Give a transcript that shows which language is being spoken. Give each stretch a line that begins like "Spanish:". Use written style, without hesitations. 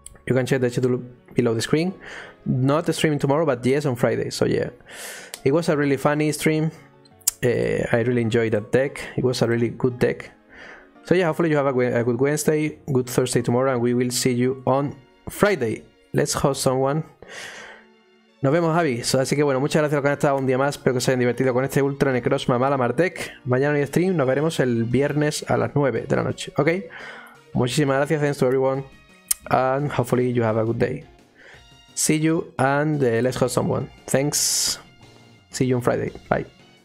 English: You can check the schedule below the screen. Not streaming tomorrow, but yes, on Friday. So yeah, it was a really funny stream. I really enjoyed that deck. It was a really good deck. So yeah, hopefully you have a good Wednesday, good Thursday tomorrow, and we will see you on Friday. Let's host someone.
Spanish: Nos vemos,
English: Javi.
Spanish: So, así que bueno, muchas gracias a los que han estado un día más. Espero que se hayan divertido con este Ultra Necros Mamala Martek. Mañana hay stream. Nos veremos el viernes a las 9 de la noche. Ok. Muchísimas gracias.
English: Thanks to everyone. And hopefully you have a good day. See you and let's host someone. Thanks. See you on Friday. Bye.